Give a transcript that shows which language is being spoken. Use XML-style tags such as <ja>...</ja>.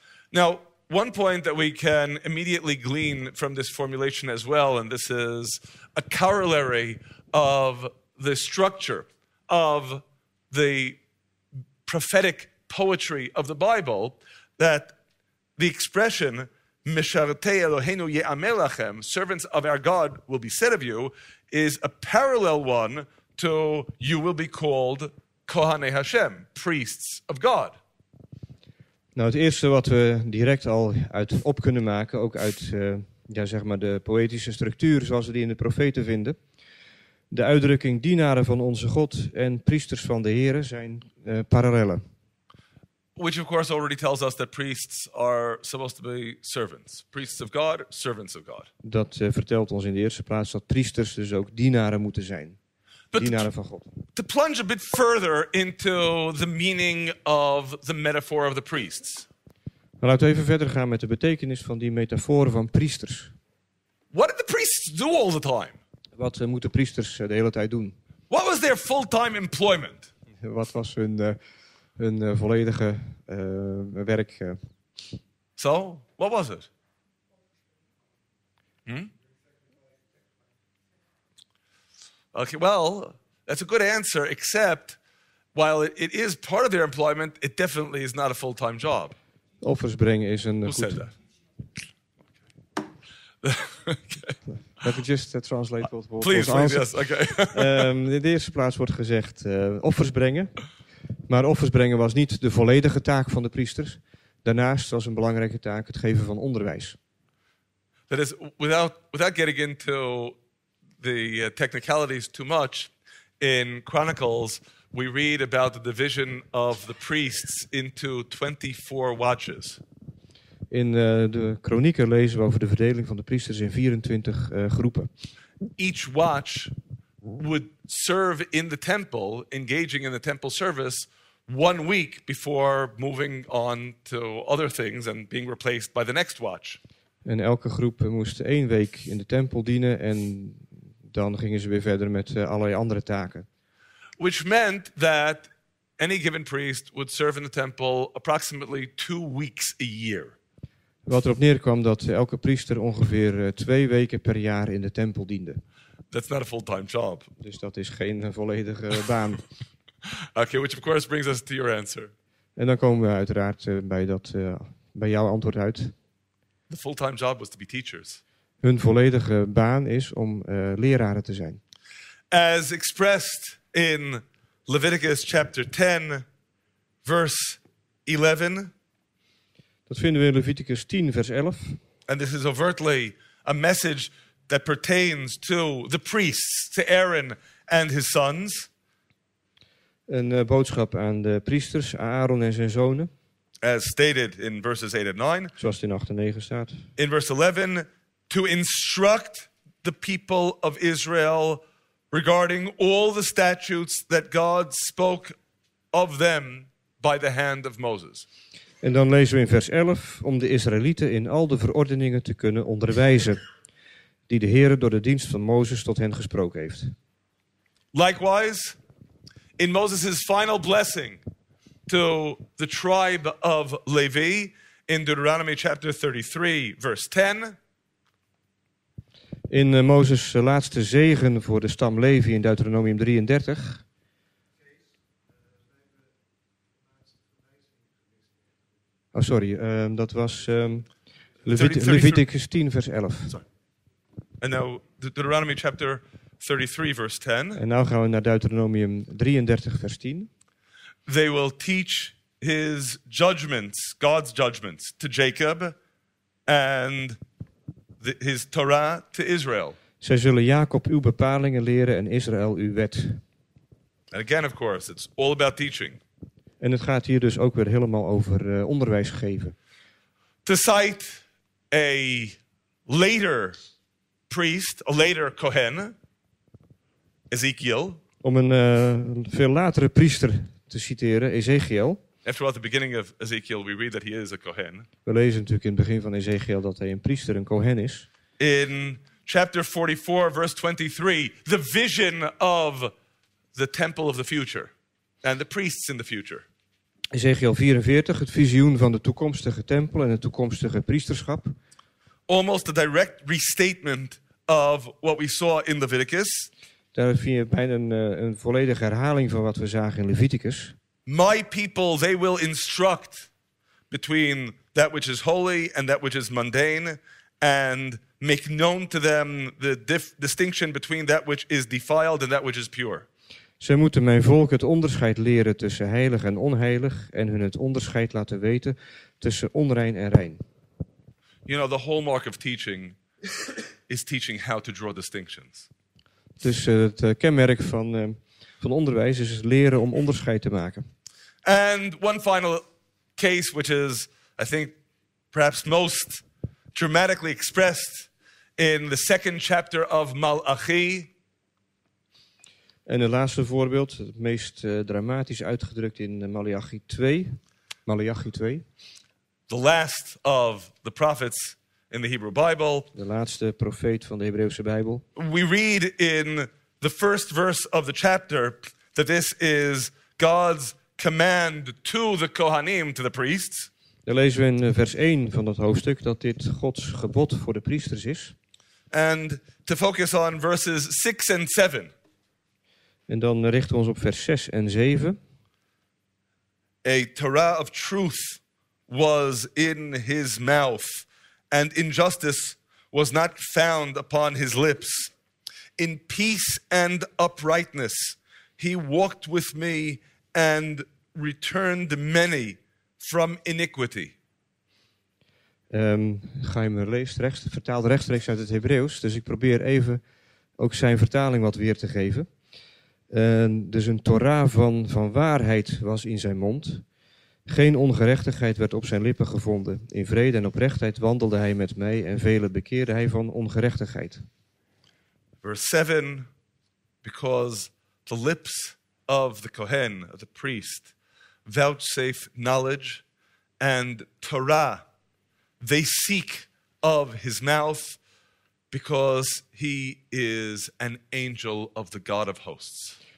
<en>Now, one point that we can immediately glean from this formulation as well, and this is a corollary of the structure of the prophetic poetry of the Bible, that the expression</en> <he>Mesharetei Eloheinu Ye'amer Lachem,</he> <en>servants of our God will be said of you, is a parallel one to you will be called</en> <he>Kohanei Hashem,</he> <en>priests of God.</en> <nl>Nou, het eerste wat we direct al uit op kunnen maken, ook uit de poëtische structuur zoals we die in de profeten vinden. De uitdrukking dienaren van onze God en priesters van de Heere zijn parallellen.</nl> <en>Which of course already tells us that priests are supposed to be servants. Priests of God, servants of God.</en> <nl>Dat vertelt ons in de eerste plaats dat priesters dus ook dienaren moeten zijn.</nl> <en>But</en> <nl>dienaren van God.</nl> <en>To plunge a bit further into the meaning of the metaphor of the priests.</en> <nl>Maar laten we even verder gaan met de betekenis van die metafoor van priesters.</nl> <en>What did the priests do all the time?</en> <nl>Wat moeten priesters de hele tijd doen?</nl> <en>What was their full-time employment?</en> <nl>Wat was hun volledige werk?</nl> <en>So, what was it? Okay, well, that's a good answer, except while it is part of their employment, it definitely is not a full-time job.</en> <nl>Offers brengen is een</nl> <en>Who said that? Let me just translate what was Please, answered. Please, yes, okay.</en> <nl>In de eerste plaats wordt gezegd offers brengen. Maar offers brengen was niet de volledige taak van de priesters. Daarnaast was een belangrijke taak het geven van onderwijs.</nl> <en>That is, without getting into the technicalities too much, in Chronicles we read about the division of the priests into 24 watches.</en> <nl>In de kronieken lezen we over de verdeling van de priesters in 24 groepen.</nl> <en>Each watch would serve in the temple, engaging in the temple service, 1 week before moving on to other things and being replaced by the next watch.</en> <nl>En elke groep moest 1 week in de tempel dienen en dan gingen ze weer verder met allerlei andere taken.</nl> <en>Which meant that any given priest would serve in the temple approximately 2 weeks a year.</en> <nl>Wat erop neerkwam dat elke priester ongeveer 2 weken per jaar in de tempel diende.</nl> <en>That's not a full-time job.</en> <nl>Dus dat is geen volledige baan.</nl> <en>Okay, which of course brings us to your answer.</en> <nl>En dan komen we uiteraard bij jouw antwoord uit.</nl> <en>The full-time job was to be teachers.</en> <nl>Hun volledige baan is om leraren te zijn.</nl> <en>As expressed in Leviticus chapter 10, verse 11.</en> <nl>Dat vinden we in Leviticus 10, vers 11.</nl> <en>And this is overtly a message that pertains to the priests, to Aaron and his sons.</en> <nl>Een boodschap aan de priesters, Aaron en zijn zonen.</nl> <en>As stated in verses 8 and 9.</en> <nl>Zoals het in 8 en 9 staat.</nl> <en>In verse 11, to instruct the people of Israel regarding all the statutes that God spoke of them by the hand of Moses.</en> <nl>En dan lezen we in vers 11, om de Israëlieten in al de verordeningen te kunnen onderwijzen die de Heere door de dienst van Mozes tot hen gesproken heeft.</nl> <en>Likewise, in Moses' final blessing to the tribe of Levi in Deuteronomy chapter 33, verse 10.</en> <nl>In Mozes' laatste zegen voor de stam Levi in Deuteronomium 33. Oh, sorry, dat was Leviticus 10, vers 11. En nu</nl> <en>Deuteronomy chapter 33, verse 10.</en> <nl>En nu gaan we naar Deuteronomium 33, vers 10.</nl> <en>They will teach his judgments, God's judgments, to Jacob and his Torah to Israel.</en> <nl>Zij zullen Jacob uw bepalingen leren en Israël uw wet.</nl> <en>And again, of course, it's all about teaching.</en> <nl>En het gaat hier dus ook weer helemaal over onderwijs geven.</nl> <en>To cite a later priest, a later Kohen, Ezekiel.</en> <nl>Om een veel latere priester te citeren, Ezekiel.</nl> <en>After all, the beginning of Ezekiel, we read that he is a Kohen.</en> <nl>We lezen natuurlijk in het begin van Ezekiel dat hij een priester, een Kohen is.</nl> <en>In chapter 44, verse 23, the vision of the temple of the future and the priests in the future.</en> <nl>Ezekiel 44, het visioen van de toekomstige tempel en het toekomstige priesterschap.</nl> <en>Almost a direct restatement of what we saw in Leviticus.</en> <nl>Daar vind je bijna een volledige herhaling van wat we zagen in Leviticus.</nl> <en>My people, they will instruct between that which is holy and that which is mundane, and make known to them the distinction between that which is defiled and that which is pure.</en> <nl>Zij moeten mijn volk het onderscheid leren tussen heilig en onheilig en hun het onderscheid laten weten tussen onrein en rein.</nl> <en>You know, the hallmark of teaching is teaching how to draw distinctions.</en> <nl>Dus het kenmerk van onderwijs is leren om onderscheid te maken.</nl> <en>And one final case which is, I think, perhaps most dramatically expressed in the second chapter of Malachi.</en> <nl>En het laatste voorbeeld, het meest dramatisch uitgedrukt in Malachi 2.</nl> <en>The last of the prophets in the Hebrew Bible.</en> <nl>De laatste profeet van de Hebreeuwse Bijbel.</nl> <en>We read in the first verse of the chapter that this is God's command to the Kohanim, to the priests.</en> <nl>Daar lezen we in vers 1 van dat hoofdstuk dat dit Gods gebod voor de priesters is.</nl> <en>And to focus on verses 6 and 7.</en> <nl>En dan richten we ons op vers 6 en 7.</nl> <en>A Torah of truth was in his mouth, and injustice was not found upon his lips. In peace and uprightness he walked with me and returned many from iniquity.</en> <nl>Ga je me lezen, vertaald rechtstreeks uit het Hebreeuws. Dus ik probeer even ook zijn vertaling wat weer te geven. Dus een Torah van waarheid was in zijn mond. Geen ongerechtigheid werd op zijn lippen gevonden. In vrede en oprechtheid wandelde hij met mij en velen bekeerde hij van ongerechtigheid.</nl> <en>Verse 7, because the lips of the Kohen, of the priest, vouchsafe knowledge and Torah, they seek of his mouth, because he is an angel of the God of hosts.</en>